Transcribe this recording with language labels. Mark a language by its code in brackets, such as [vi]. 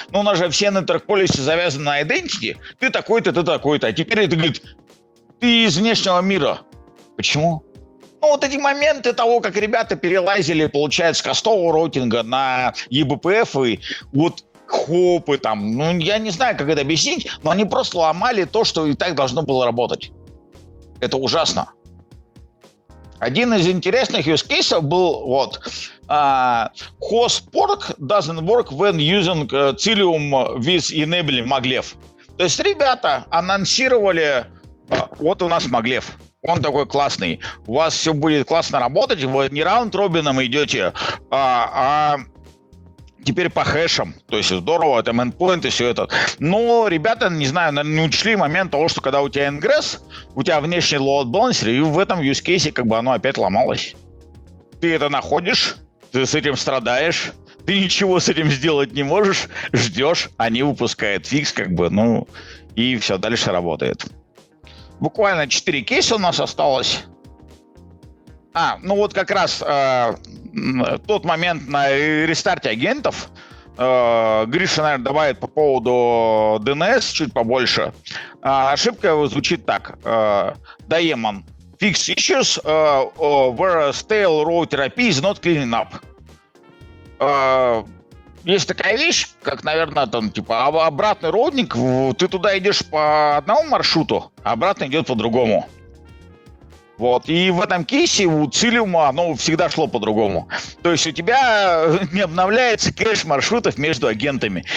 [ru] Ну, у нас же все нетворк-полисы завязаны на identity. Ты такой-то, ты такой-то. А теперь это говорит, ты из внешнего мира. Почему? Ну, вот эти моменты того, как ребята перелазили, получается, с кастового роутинга на eBPF, и вот хопы там. Ну, я не знаю, как это объяснить, но они просто ломали то, что и так должно было работать. Это ужасно. Один из интересных use case был вот host pork doesn't work when using Cilium with enable maglev. То есть ребята анонсировали, вот у нас maglev, он такой классный, у вас все будет классно работать, вы не раунд-робином идете, а теперь по хэшам, то есть здорово, там endpoint и все это. Но ребята, не знаю, не учли момент того, что когда у тебя ingress, у тебя внешний load balancer, и в этом use case как бы оно опять ломалось. Ты это находишь, ты с этим страдаешь, ты ничего с этим сделать не можешь, ждешь, они выпускают фикс, как бы, ну, и все дальше работает. Буквально 4 кейса у нас осталось. А, ну вот как раз... тот момент на рестарте агентов. Гриша, наверное, добавит по поводу DNS чуть побольше. Ошибка звучит так. Daemon. [en] Fix issues where stale router IP is not cleaning up. [ru] Есть такая вещь, как, наверное, там, типа, обратный роутинг. Ты туда идешь по одному маршруту, а обратно идет по другому. Вот, и в этом кейсе у Cilium оно всегда шло по-другому. То есть у тебя не обновляется кэш маршрутов между агентами.